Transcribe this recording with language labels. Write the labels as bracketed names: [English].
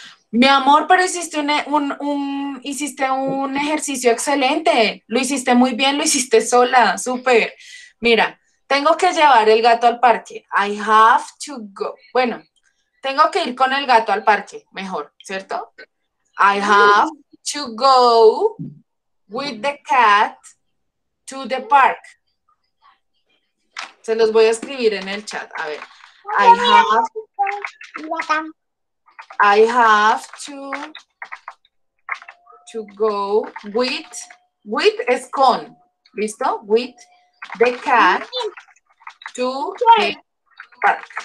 [Spanish] Mi amor, pero hiciste un ejercicio excelente. Lo hiciste muy bien, lo hiciste sola, súper. Mira, tengo que llevar el gato al parque. [English] I have to go. [Spanish] Bueno, tengo que ir con el gato al parque, mejor, ¿cierto? [English] I have to go with the cat to the park. [Spanish] Se los voy a escribir en el chat, a ver. [English] I have to go with [Spanish] es con, ¿listo? [English] With the cat to the park.